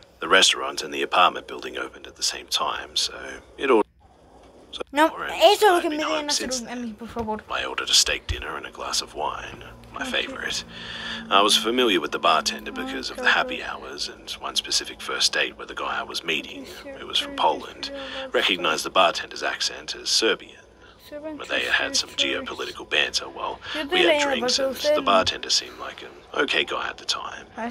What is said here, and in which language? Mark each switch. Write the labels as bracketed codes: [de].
[en] The restaurant and the apartment building opened at the same time, so it all. [es] No, eso es lo que me dieron a hacer a mí, por favor. [en] I ordered a steak dinner and a glass of wine, my favorite. I was familiar with the bartender because of the happy hours and one specific first date with a guy I was meeting, who was from Poland, recognized the bartender's accent as Serbian. But they had some geopolitical banter while we had drinks, and the bartender seemed like an okay guy at the time.